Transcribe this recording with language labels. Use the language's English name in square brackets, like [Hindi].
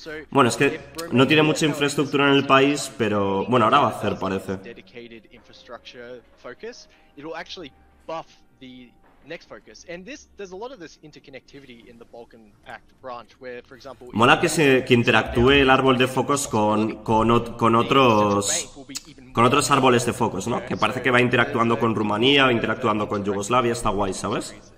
[Spanish] Bueno, es que no tiene mucha infraestructura en el país, pero bueno, ahora va a hacer, parece. [English] next focus. And this, there's a lot of this interconnectivity in the Balkan Pact branch, where, for example, [Spanish] mola que se que interactúe el árbol de focos con otros árboles de focos, ¿no? Que parece que va interactuando con Rumanía, interactuando con Yugoslavia, está guay, ¿sabes?